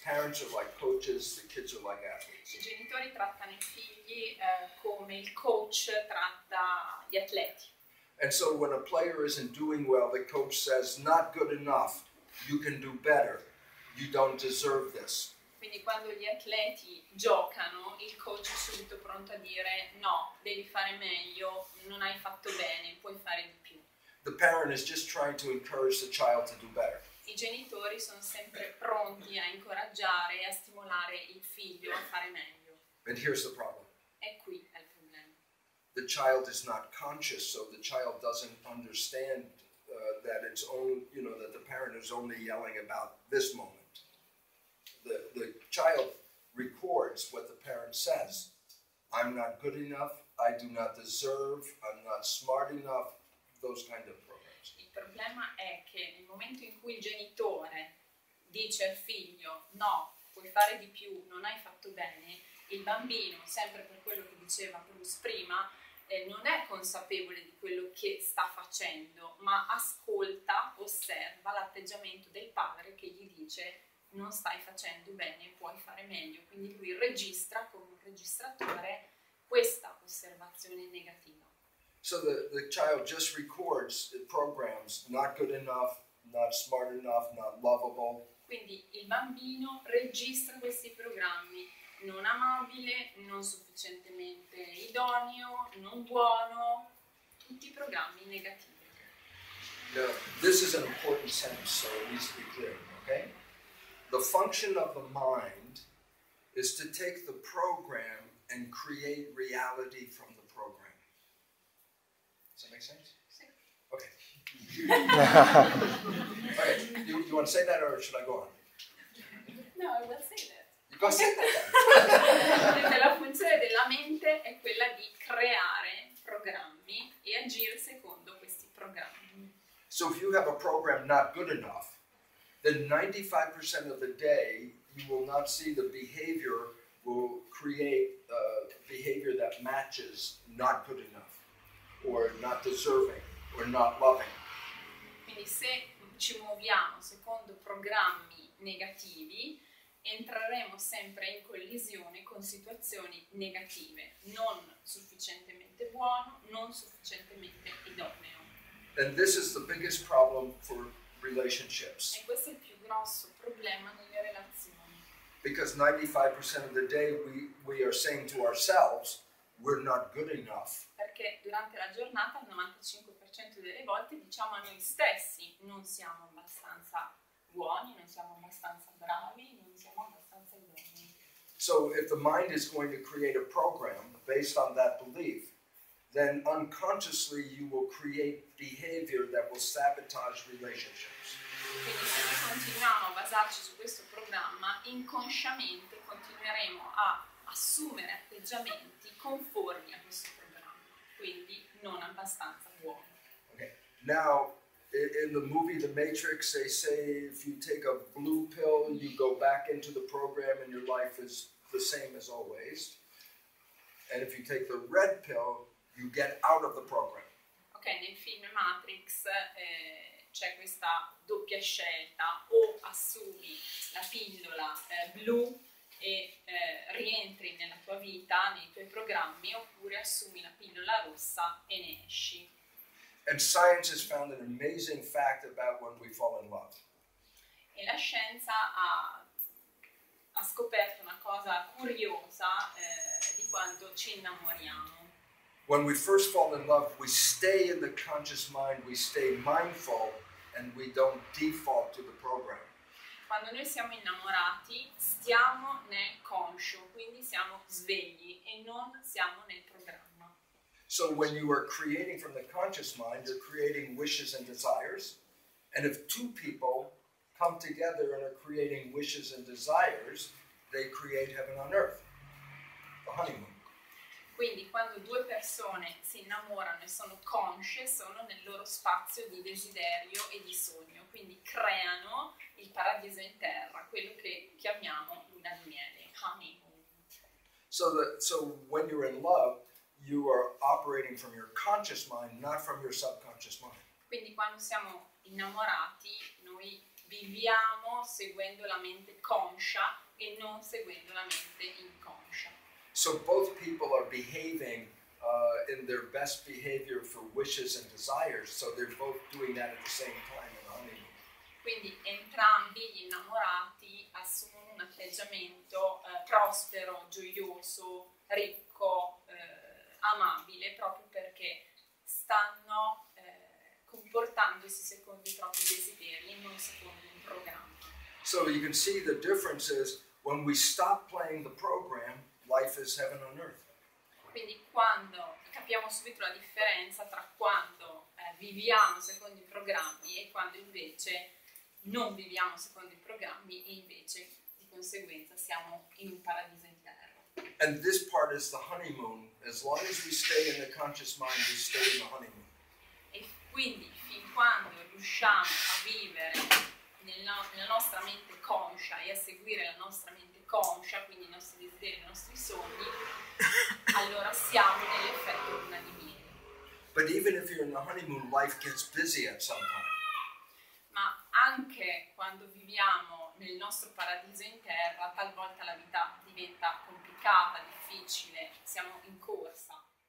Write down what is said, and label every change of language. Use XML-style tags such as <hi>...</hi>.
<en>Parents are like coaches, the kids are like athletes.</en> <it>I genitori trattano i figli come il coach tratta gli atleti.</it> <en>And so when a player isn't doing well, the coach says, not good enough. You can do better. You don't deserve this.</en> <it>Quindi quando gli atleti giocano, il coach è subito pronto a dire no, devi fare meglio, non hai fatto bene, puoi fare di più.</it> <en>The parent is just trying to encourage the child to do better.</en> <it>I genitori sono sempre pronti a incoraggiare e a stimolare il figlio a fare meglio.</it> <en>And here's the problem.</en> <it>E qui è il problema.</it> <en>The child is not conscious, so the child doesn't understand that it's only, you know, that the parent is only yelling about this moment. The child records what the parent says. I'm not good enough, I do not deserve, I'm not smart enough, those kind of programs.</en> <it>Il problema è che nel momento in cui il genitore dice al figlio, no, puoi fare di più, non hai fatto bene, il bambino, sempre per quello che diceva Bruce prima, non è consapevole di quello che sta facendo, ma ascolta, osserva l'atteggiamento del padre che gli dice non stai facendo bene, puoi fare meglio. Quindi lui registra come un registratore questa osservazione negativa.</it> <en>So the child just records programs not good enough, not smart enough, not lovable.</en> <it>Quindi il bambino registra questi programmi. Non amabile, non sufficientemente idoneo, non buono, tutti programmi negativi.</it> <en>Now, this is an important sentence, so it needs to be clear, okay? The function of the mind is to take the program and create reality from the program. Does that make sense?</en> <it>Sì.</it> <en>Okay. All right, you want to say that or should I go on? No, I will say that.</en> <it>La funzione della mente è quella di creare programmi e agire secondo questi programmi.</it> <en>So if you have a program not good enough, then 95% of the day you will not see the behavior will create a behavior that matches not good enough or not deserving or not loving.</en> <it>Quindi se ci muoviamo secondo programmi negativi, entreremo sempre in collisione con situazioni negative, non sufficientemente buono, non sufficientemente idoneo.</it> <en>And this is the biggest problem for relationships.</en> <it>E questo è il più grosso problema nelle relazioni.</it> <en>Because 95% of the day we are saying to ourselves, we're not good enough.</en> <it>Perché durante la giornata il 95% delle volte diciamo a noi stessi, non siamo abbastanza buoni, non siamo abbastanza bravi, non siamo abbastanza buoni.</it> <en>So if the mind is going to create a program based on that belief, then unconsciously you will create behavior that will sabotage relationships.</en> <it>Quindi se noi continuiamo a basarci su questo programma, inconsciamente continueremo a assumere atteggiamenti conformi a questo programma, quindi non abbastanza buoni.</it> <en>Okay. Now, in the movie The Matrix, they say if you take a blue pill, you go back into the program and your life is the same as always. And if you take the red pill, you get out of the program.</en> <it>Ok, nel film Matrix c'è questa doppia scelta: o assumi la pillola blu e rientri nella tua vita, nei tuoi programmi, oppure assumi la pillola rossa e ne esci.</it> <en>And science has found an amazing fact about when we fall in love.</en> <it>E la scienza ha scoperto una cosa curiosa di quando ci innamoriamo.</it> <en>When we first fall in love, we stay in the conscious mind, we stay mindful, and we don't default to the program.</en> <it>Quando noi siamo innamorati, stiamo nel conscio, quindi siamo svegli e non siamo nel programma.</it> <en>So when you are creating from the conscious mind, you're creating wishes and desires, and if two people come together and are creating wishes and desires, they create heaven on earth, the honeymoon.</en> <it>Quindi quando due persone si innamorano e sono consce, sono nel loro spazio di desiderio e di sogno, quindi creano il paradiso in terra, quello che chiamiamo luna di miele, honeymoon.</it> <en>So when you're in love, you are operating from your conscious mind, not from your subconscious mind.</en> <it>Quindi quando siamo innamorati, noi viviamo seguendo la mente conscia e non seguendo la mente inconscia.</it> <en>So both people are behaving in their best behavior for wishes and desires, so they're both doing that at the same time in honeymoon.</en> <it>Quindi entrambi gli innamorati assumono un atteggiamento prospero, gioioso, ricco, amabile, proprio perché stanno comportandosi secondo i propri desideri e non secondo un programma.</it> <en>So you can see the difference is when we stop playing the program, life is heaven on earth.</en> <it>Quindi quando capiamo subito la differenza tra quando viviamo secondo i programmi e quando invece non viviamo secondo i programmi e invece di conseguenza siamo in un paradiso in terra.</it> <en>And this part is the honeymoon. As long as we stay in the conscious mind, we stay in the honeymoon.</en> <it>E quindi fin quando riusciamo a vivere nella nostra mente conscia e a seguire la nostra mente conscia, quindi i nostri desideri, i nostri sogni, allora siamo nell'effetto luna di miele. But even if you're in the honeymoon, life gets busy at some point. Ma anche quando viviamo nel nostro paradiso in terra, talvolta la vita diventa complicata, difficile, siamo in corsa.</it>